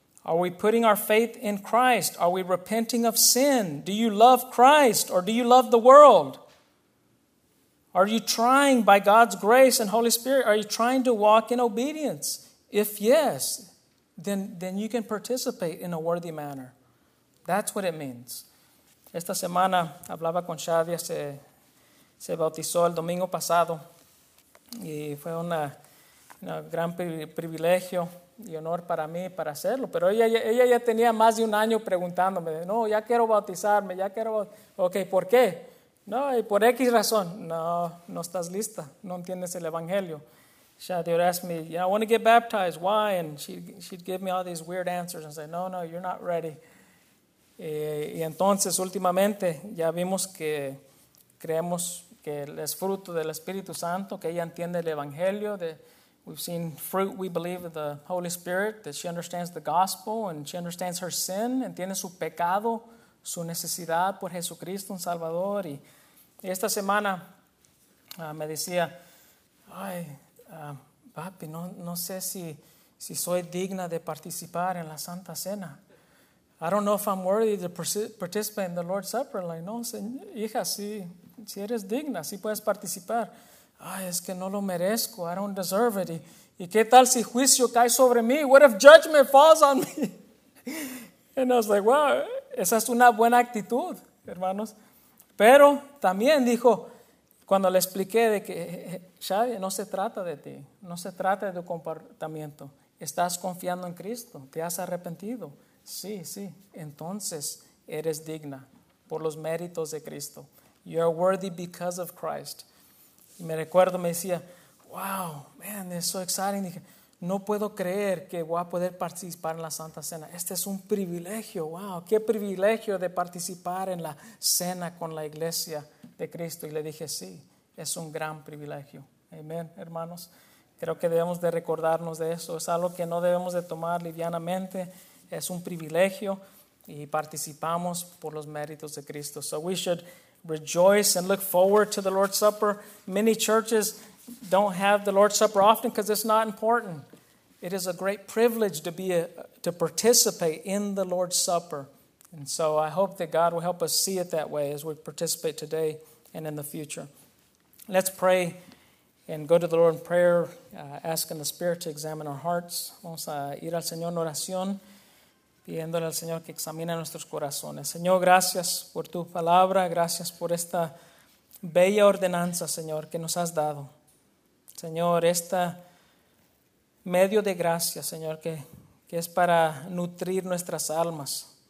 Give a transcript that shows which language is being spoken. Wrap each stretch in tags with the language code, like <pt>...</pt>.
<en>Are we putting our faith in Christ? Are we repenting of sin? Do you love Christ or do you love the world? Are you trying by God's grace and Holy Spirit? Are you trying to walk in obedience? If yes, then you can participate in a worthy manner. That's what it means.</en> <es>Esta semana hablaba con Xavi, se bautizó el domingo pasado y fue un gran privilegio y honor para mí para hacerlo. Pero ella ya tenía más de un año preguntándome, no, ya quiero bautizarme, ya quiero bautizarme. Ok, ¿por qué? No, y por X razón. No estás lista, no entiendes el evangelio.</es> <en>Xavi would ask me, yeah, I want to get baptized, why? And she'd give me all these weird answers and say, no, you're not ready.</en> <es>Y entonces últimamente ya vimos que creemos que es fruto del Espíritu Santo, que ella entiende el Evangelio.</es> <en>We've seen fruit, we believe, of the Holy Spirit, that she understands the gospel and she understands her sin,</en> <es>entiende su pecado, su necesidad por Jesucristo, un Salvador. Y esta semana me decía, ay, papi, no sé si soy digna de participar en la Santa Cena.</es> <en>I don't know if I'm worthy to participate in the Lord's Supper.</en> <es>Like, no, hija, sí eres digna, sí puedes participar. Ay, es que no lo merezco.</es> <en>I don't deserve it.</en> <es>¿Y qué tal si juicio cae sobre mí?</es> <en>What if judgment falls on me? And I was like, wow,</en> <es>esa es una buena actitud, hermanos. Pero también dijo, cuando le expliqué de que, Xavi, no se trata de ti. No se trata de tu comportamiento. Estás confiando en Cristo. Te has arrepentido. Sí, entonces eres digna por los méritos de Cristo.</es> <en>You are worthy because of Christ.</en> <es>Y me recuerdo, me decía, wow,</es> <en>man, it's so exciting.</en> <es>Dije, no puedo creer que voy a poder participar en la Santa Cena. Este es un privilegio, wow, qué privilegio de participar en la cena con la iglesia de Cristo. Y le dije, sí, es un gran privilegio. Amén, hermanos. Creo que debemos de recordarnos de eso. Es algo que no debemos de tomar livianamente. Es un privilegio y participamos por los méritos de Cristo.</es> <en>So we should rejoice and look forward to the Lord's Supper. Many churches don't have the Lord's Supper often because it's not important. It is a great privilege to participate in the Lord's Supper. And so I hope that God will help us see it that way as we participate today and in the future. Let's pray and go to the Lord in prayer, asking the Spirit to examine our hearts.</en> <es>Vamos a ir al Señor en oración, pidiéndole al Señor que examine nuestros corazones. Señor, gracias por tu palabra, gracias por esta bella ordenanza, Señor, que nos has dado. Señor, este medio de gracia, Señor, que es para nutrir nuestras almas.</es>